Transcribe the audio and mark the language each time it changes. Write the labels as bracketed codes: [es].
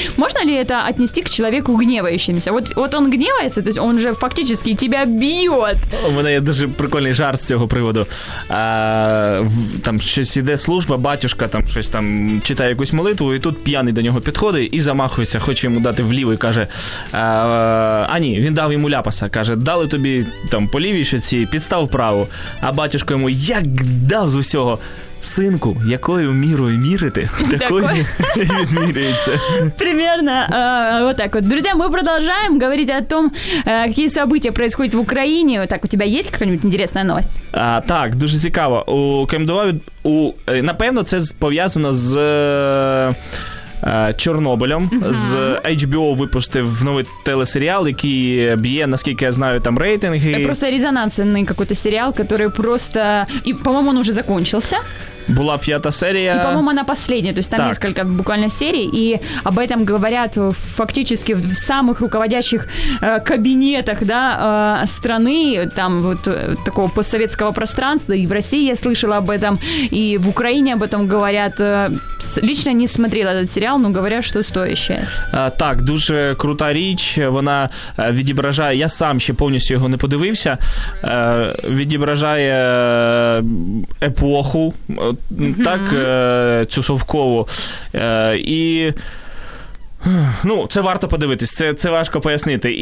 [ru] Можно ли это отнести к человеку гневающимся? Вот он гневается, то есть он же фактически тебя бьет. У меня есть даже прикольный жар с этого привода. Там что-то идет служба, батюшка там что-то там читает какую-то молитву, и тут пьяный до него подходит и замахивается, хочет ему дать в левую, кажет... [uk] А ні, він дав йому ляпаса, каже, дали тобі там по лівій щоці, підстав праву. А батюшко йому як дав з усього, Синку, якою мірою мірити, такою відміряється. [ru] Примерно вот так вот. Друзья, мы продолжаем говорить о том, какие события происходят в Украине. Так, у тебя есть какая-нибудь интересная новость? [uk] Так, дуже цікаво. У КМДВ, напевно, це пов'язано з Чорнобилем. Uh-huh. З HBO випустив новий телесеріал, який б'є, наскільки я знаю, там рейтинги. Це просто резонансний якийсь серіал, який просто... І, по-моєму, він вже закінчився. Була п'ята серія. І, по-моєму, вона последняя. Тобто там кілька буквально серій. [ru] І об этом говорят фактически в самых руководящих кабінетах, да, страны, там вот такого постсоветского пространства. [uk] І в Росії [ru] я слышала об этом. [uk] І в Україні [ru] об этом говорят. Лично не смотрела этот сериал, но говорят, что стоящее. [uk] Так, дуже крута річ. Вона відображає, я сам ще повністю його не подивився, відображає епоху, так, цю совкову. І, ну, це варто подивитись, це важко пояснити.